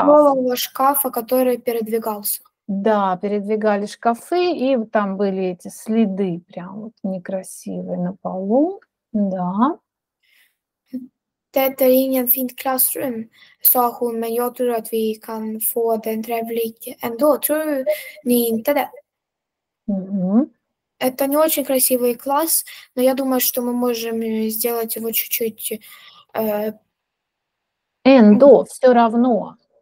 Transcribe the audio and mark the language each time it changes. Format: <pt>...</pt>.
<ru>Тяжелого шкафа, который передвигался. Да, передвигали шкафы, и там были эти следы прям вот некрасивые на полу, да.</ru> <sv>Det är ingen fint klassrum, sa hon, men jag tror att vi kan få den trevlig ändå. Tror ni inte det?</sv> <ru>Это не очень красивый класс, но я думаю, что мы можем сделать его чуть-чуть. Ändå, все равно.</ru>